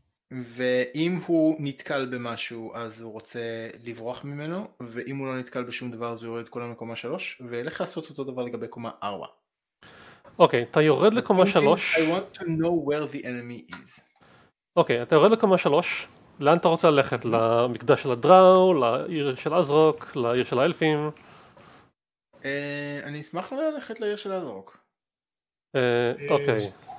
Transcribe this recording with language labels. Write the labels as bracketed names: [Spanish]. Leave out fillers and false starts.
[Hebrew] ואם הוא נתקל במשהו אז הוא רוצה לברוח ממנו, ואם הוא לא נתקל בשום דבר אז הוא יורד את כולם לקומה 3 ולך לעשות אותו דבר לגבי קומה 4. אוקיי, אתה יורד לקומה 3. [English] I want to know where the enemy is. [Hebrew] אוקיי, אתה יורד לקומה 3. לאן אתה רוצה ללכת? למקדש של הדראו, לעיר של אזרוק, לעיר של האלפים? אני אשמח ללכת לעיר של אזרוק. אוקיי.